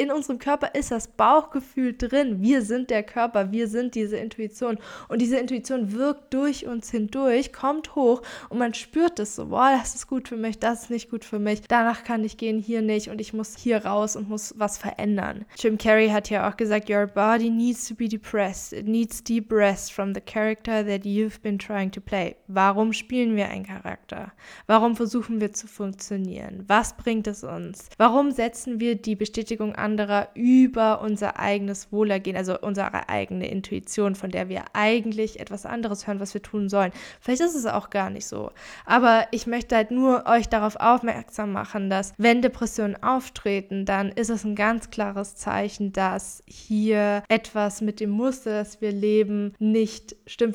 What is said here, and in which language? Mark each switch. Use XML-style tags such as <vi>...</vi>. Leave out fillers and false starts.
<de>In unserem Körper ist das Bauchgefühl drin, wir sind der Körper, wir sind diese Intuition. Und diese Intuition wirkt durch uns hindurch, kommt hoch und man spürt es so, boah, das ist gut für mich, das ist nicht gut für mich, danach kann ich gehen, hier nicht und ich muss hier raus und muss was verändern. Jim Carrey hat ja auch gesagt,</de> <en>your body needs to be depressed, it needs deep rest from the character that you've been trying to play.</en> <de>Warum spielen wir einen Charakter? Warum versuchen wir zu funktionieren? Was bringt es uns? Warum setzen wir die Bestätigung anderer über unser eigenes Wohlergehen, also unsere eigene Intuition, von der wir eigentlich etwas anderes hören, was wir tun sollen. Vielleicht ist es auch gar nicht so. Aber ich möchte halt nur euch darauf aufmerksam machen, dass wenn Depressionen auftreten, dann ist es ein ganz klares Zeichen, dass hier etwas mit dem Muster, das wir leben, nicht stimmt.</de>